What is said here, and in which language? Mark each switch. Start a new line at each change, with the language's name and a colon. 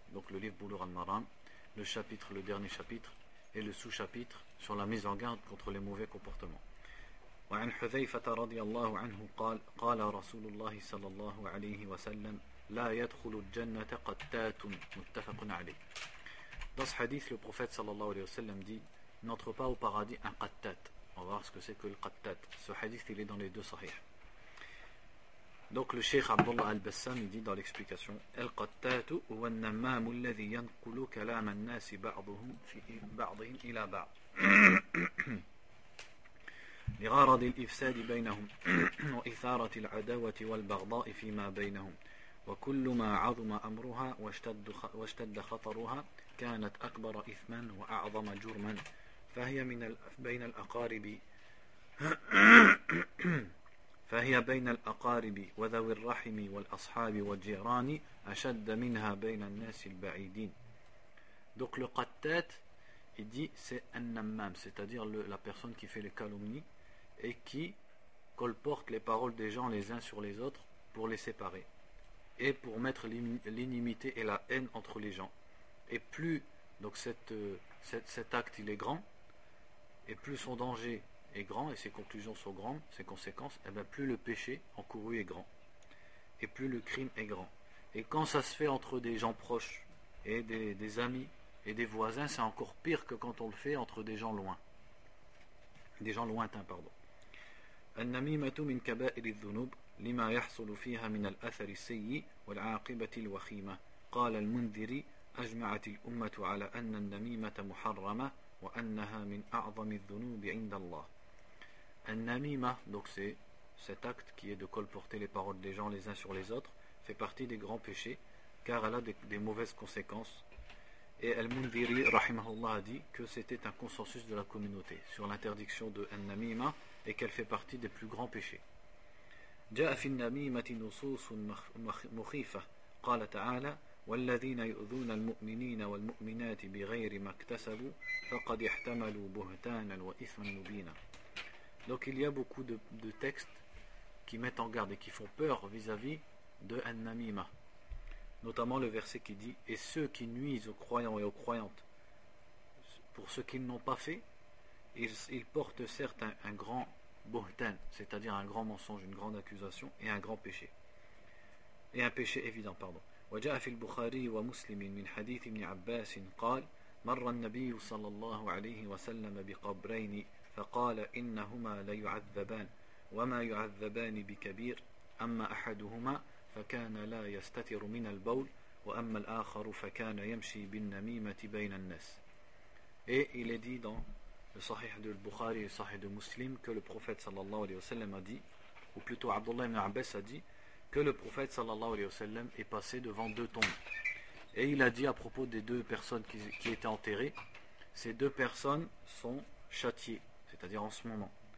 French: Donc le livre Bulugh al-Maram, le chapitre, le dernier chapitre et le sous-chapitre sur la mise en garde contre les mauvais comportements.
Arabic: وعن حذيفة رضي الله عنه قال قال رسول الله صلى الله عليه وسلم لا يدخل الجنة قتات متفق عليه.
French: Dans ce hadith, le prophète sallallahu alayhi wa sallam dit n'entre pas au paradis un qattat. On va voir ce que c'est que le qattat. Ce hadith, il est dans les deux sahih. Donc le cheikh Abdullah al-Bassam dit dans l'explication
Arabic: القتات هو النمام الذي ينقل كلام الناس بعضهم في بعضهم إلى بعض لغرض الإفساد بينهم وإثارة العداوة والبغضاء فيما بينهم وكل ما عظم أمرها واشتد خطرها كانت أكبر إثما وأعظم جرما فهي من بين الأقارب فهي بين الأقارب وذوي الرحم والأصحاب والجيران أشد منها بين الناس البعيدين.
French: Donc le qattat, il dit c'est un nammam, c'est-à-dire la personne qui fait les calomnies et qui colporte les paroles des gens les uns sur les autres pour les séparer et pour mettre l'inimité et la haine entre les gens. Et plus donc cet acte il est grand, et plus son danger est grand, et ses conclusions sont grandes, ses conséquences, et bien plus le péché encouru est grand, et plus le crime est grand. Et quand ça se fait entre des gens proches, et des amis, et des voisins, c'est encore pire que quand on le fait entre des gens loin. Des gens lointains, pardon.
Arabic: An-namimatu min kaba'ir adh-dhunub لما يحصل فيها من الأثر السيء والعاقبة الوخيمة قال المنذري أجمعت الأمة على أن النميمة محرمة وأنها من أعظم الذنوب عند الله.
French: النميمة, donc c'est cet acte qui est de colporter les paroles des gens les uns sur les autres, fait partie des grands péchés car elle a des mauvaises conséquences. Et al-Mundhiri rahimahullah a dit que c'était un consensus de la communauté sur l'interdiction de an-namima et qu'elle fait partie des plus grands péchés.
Arabic: جاء في النميمة نصوص مخيفة قال تعالى والذين يؤذون المؤمنين والمؤمنات بغير ما اكتسبوا فقد احتملوا بهتانا وإثما مبينا.
French: Donc il y a beaucoup de textes qui mettent en garde et qui font peur vis-à-vis de An-Namima, notamment le verset qui dit et ceux qui nuisent aux croyants et aux croyantes pour ce qu'ils n'ont pas fait, ils portent certes un grand bohtan, c'est-à-dire un grand mensonge, une grande accusation et un grand péché. Et un péché évident, pardon.
Arabic: وجاء في البخاري ومسلم من حديث ابن عباس قال مر النبي صلى الله عليه وسلم بقبرين فقال إنهما ليعذبان وما يعذبان بكبير أما أحدهما فكان لا يستتر من البول وأما الآخر فكان يمشي بالنميمة بين الناس.
French: Et il est dit dans le sahih de Bukhari et le sahih de Muslim que le prophète sallallahu alayhi wa sallam a dit, ou plutôt Abdullah ibn Abbas a dit, que le prophète sallallahu alayhi wa sallam est passé devant deux tombes. Et il a dit à propos des deux personnes qui étaient enterrées, ces deux personnes sont châtiées, c'est-à-dire en ce moment.